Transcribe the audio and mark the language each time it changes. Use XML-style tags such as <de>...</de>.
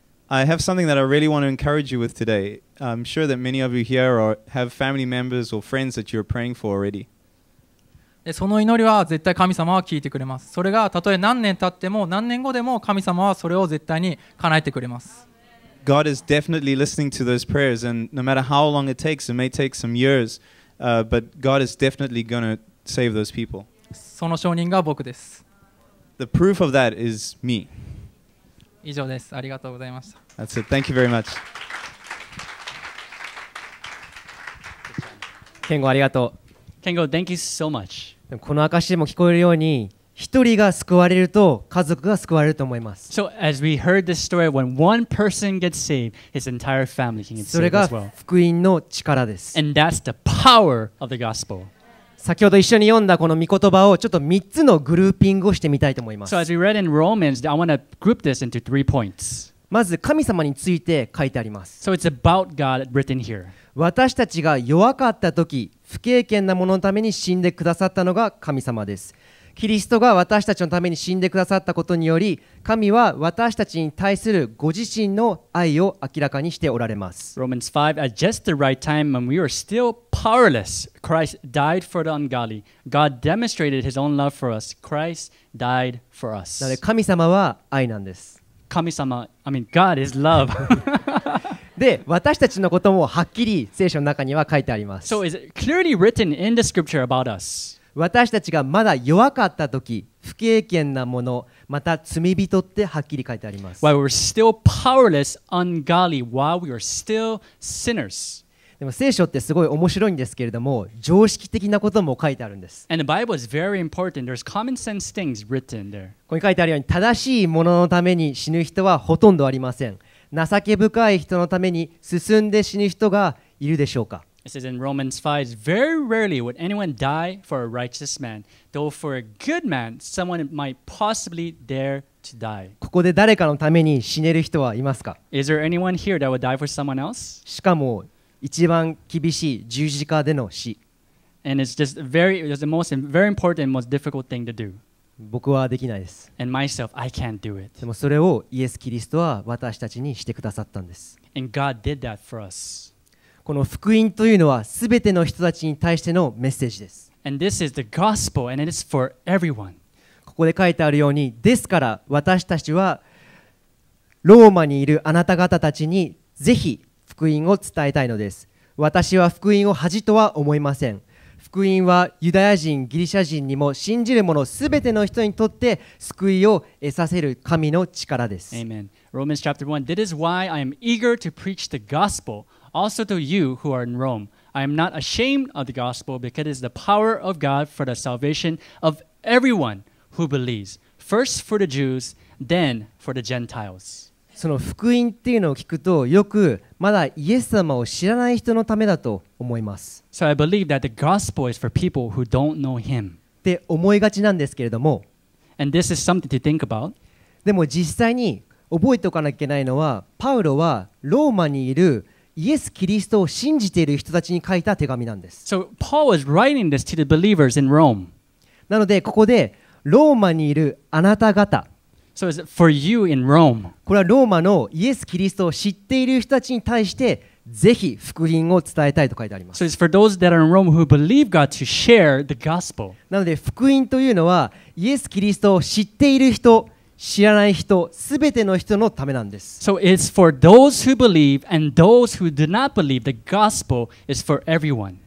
<en>I have something that I really want to encourage you with today. I'm sure that many of you here have family members or friends that you're praying for already.</en> <ja>その祈りは絶対神様は聞いてくれます。それがたとえ何年経っても何年後でも神様はそれを絶対に叶えてくれます。</ja> <en>God is definitely listening to those prayers, and no matter how long it takes, it may take some years, but God is definitely going to save those people.</en> <ja>その証人が僕です。</ja> <en>The proof of that is me.</en> <ja>以上です。ありがとうございました。</ja> <en>That's it. Thank you very much.</en> <ja>健吾ありがとう。</ja> <en>Kengo, thank you so much.</en> <ja>でもこの証しでも聞こえるように一人が救われると家族が救われると思います。</ja> <en>So as we heard this story, when one person gets saved, his entire family can get saved as well.</en> <ja>それが福音の力です。</ja> <en>And that's the power of the gospel.</en> <ja>先ほど一緒に読んだこの御言葉をちょっと三つのグルーピングをしてみたいと思います。</ja> <en>So as we read in Romans, I want to group this into three points.</en> <ja>まず神様について書いてあります。</ja> <en>So it's about God written here.</en> <ja>私たちが弱かった時不敬虔な者のために死んでくださったのが神様です。キリストが私たちのために死んでくださったことにより、神は私たちに対するご自身の愛を明らかにしておられます。</ja> <en>Romans 5, at just the right time when we were still powerless, Christ died for the ungodly. God demonstrated his own love for us. Christ died for us.</en> <ja>なので神様は愛なんです。</ja> <en>神様、I mean, God is love.</en> <ja>で私たちのこともはっきり聖書の中には書いてあります。</ja> <en>So is it clearly written in the scripture about us?</en> <ja>私たちがまだ弱かった時、不敬虔な者、また罪人ってはっきり書いてあります。</ja> <en>While we were still powerless, ungodly, while we were still sinners.</en> <ja>でも聖書ってすごい面白いんですけれども、常識的なことも書いてあるんです。</ja> <en>And the Bible is very important. There's common sense things written there.</en> <ja>ここに書いてあるように、正しいもののために死ぬ人はほとんどありません。情け深い人のために進んで死ぬ人がいるでしょうか。</ja> <en>It says in Romans 5, very rarely would anyone die for a righteous man, though for a good man, someone might possibly dare to die.</en> <ja>ここで誰かのために死ねる人はいますか?</ja> <en>Is there anyone here that would die for someone else?</en> <ja>しかも一番厳しい十字架での死。</ja> <en>And it's just very, it's the most very important, most difficult thing to do.</en> <ja>僕はできないです。</ja> <en>And myself, I can't do it.</en> <ja>でもそれをイエス・キリストは私たちにしてくださったんです。</ja> <en>And God did that for us.</en> <ja>この福音というのは全ての人たちに対してのメッセージです。</ja> <en>And this is the gospel, and it is for everyone.</en> <ja>ここで書いてあるように、ですから私たちはローマにいるあなた方たちにぜひ福音を伝えたいのです。私は福音を恥とは思いません。福音はユダヤ人、ギリシャ人にも信じる者全ての人にとって救いを得させる神の力です。</ja> <en>Amen. Romans chapter 1. That is why I am eager to preach the gospel. Also to you who are in Rome, I am not ashamed of the gospel because it is the power of God for the salvation of everyone who believes. First for the Jews, then for the Gentiles.</en> <ja>その福音っていうのを聞くとよくまだイエス様を知らない人のためだと思います。</ja> <en>So I believe that the gospel is for people who don't know him.</en> <ja>って思いがちなんですけれども。</ja> <en>And this is something to think about.</en> <ja>でも実際に覚えておかなきゃいけないのは、パウロはローマにいるイエス・キリストを信じている人たちに書いた手紙なんです。</ja> <en>So, Paul is writing this to the believers in Rome.</en> <ja>なので、ここでローマにいるあなた方。</ja> <en>So, is it for you in Rome?</en> <ja>これはローマのイエス・キリストを知っている人たちに対して、ぜひ福音を伝えたいと書いてあります。</ja> <en>So, it's for those that are in Rome who believe God to share the gospel.</en> <ja>なので、福音というのはイエス・キリストを知っている人、知らない人、すべての人のためなんです。</ja> <en>So it's for those who believe and those who do not believe. The gospel is for everyone.</en>